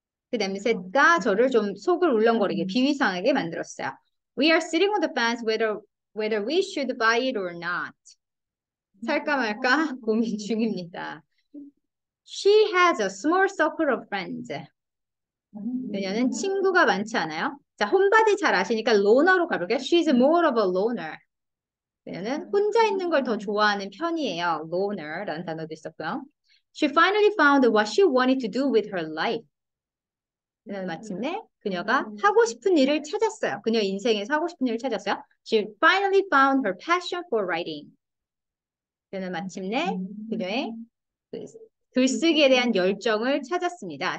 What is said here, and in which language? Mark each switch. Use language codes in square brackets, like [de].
[ko] 그 냄새가 저를 좀 속을 울렁거리게 비위상하게 만들었어요. [en] We are sitting on the fence whether we should buy it or not. [ko] 살까 말까 고민 중입니다. [en] She has a small circle of friends. [ko] 그녀는 친구가 많지 않아요? 자, 홈바디 잘 아시니까 loner로 가볼게요. [en] She's more of a loner. [ko] 그녀는 혼자 있는 걸더 좋아하는 편이에요. loner라는 단어도 있었고요. [en] She finally found what she wanted to do with her life. [ko] 그녀는 마침내 그녀가 하고 싶은 일을 찾았어요. 그녀 인생에서 하고 싶은 일을 찾았어요. [en] She finally found her passion for writing. [ko] 그녀는 마침내 그녀의 글쓰기에 대한 열정을 찾았습니다.